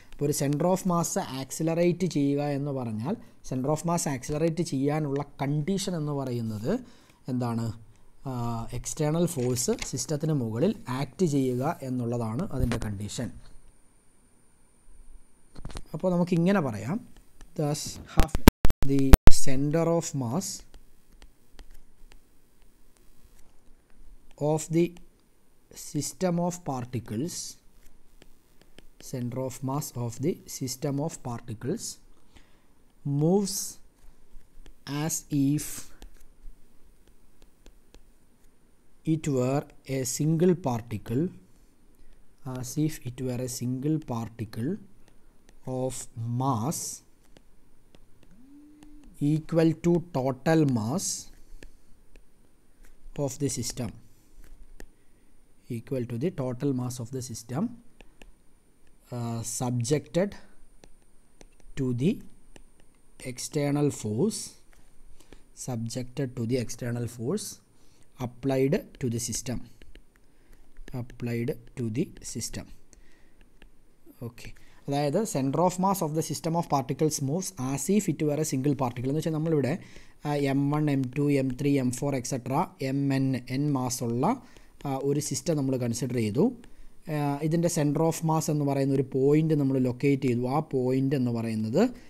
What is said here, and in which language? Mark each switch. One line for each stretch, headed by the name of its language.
Malayalam: അപ്പോൾ ഒരു centre of mass accelerate ചെയ്യുക എന്ന് പറഞ്ഞാൽ സെൻറ്റർ ഓഫ് മാസ് ആക്സിലറേറ്റ് ചെയ്യാനുള്ള കണ്ടീഷൻ എന്ന് പറയുന്നത് എന്താണ്, എക്സ്റ്റേണൽ ഫോഴ്സ് സിസ്റ്റത്തിന് മുകളിൽ ആക്ട് ചെയ്യുക എന്നുള്ളതാണ് അതിൻ്റെ കണ്ടീഷൻ. അപ്പോൾ നമുക്കിങ്ങനെ പറയാം,
English: thus half the center of mass of the system of particles, center of mass of the system of particles moves as if it were a single particle, as if it were a single particle of mass equal to total mass of the system, equal to the total mass of the system subjected to the external force, subjected to the external force applied to the system, applied to the system. Okay.
Malayalam: അതായത്
English: centre of mass of the system of particles moves as if it were single particle
Malayalam: എന്ന് വെച്ചാൽ നമ്മളിവിടെ M one M to M three M four etcetera M N N mass ഉള്ള ഒരു system നമ്മൾ consider ചെയ്തു. ഇതിൻ്റെ സെൻറ്റർ ഓഫ് മാസ് എന്ന് പറയുന്ന ഒരു പോയിൻ്റ് നമ്മൾ ലൊക്കേറ്റ് ചെയ്തു. ആ പോയിൻ്റ് എന്ന് പറയുന്നത്